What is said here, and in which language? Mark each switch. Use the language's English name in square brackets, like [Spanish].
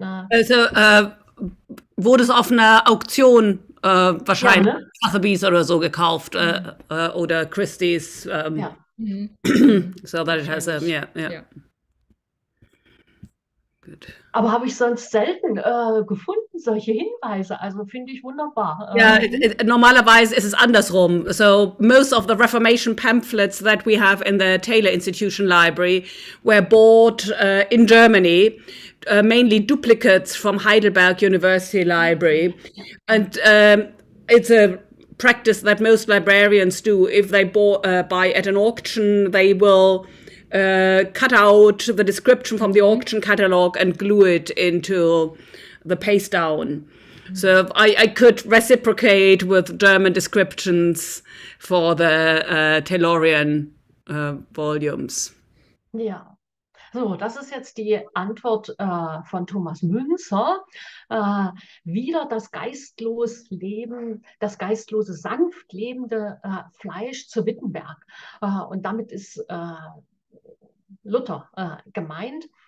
[German] Also wurde es auf einer Auktion wahrscheinlich gerne. Sotheby's oder so gekauft oder Christie's. Ja. [English] So that it has a [German] Wahrscheinlich. [English] yeah. [German] Ja. Gut. Aber habe ich sonst selten gefunden, solche Hinweise. Also finde ich wunderbar. Ja, normalerweise ist es andersrum. [English] So, most of the Reformation pamphlets that we have in the Taylor Institution Library were bought in Germany, mainly duplicates from Heidelberg University Library. And it's a practice that most librarians do. If they buy at an auction, they will cut out the description from the auction catalog and glue it into the paste down. So I could reciprocate with German descriptions for the Taylorian volumes. [German] Ja, so, das ist jetzt die Antwort von Thomas Münzer. Wieder das geistlose Leben, das geistlose, sanft lebende Fleisch zu Wittenberg. Und damit ist Luther gemeint.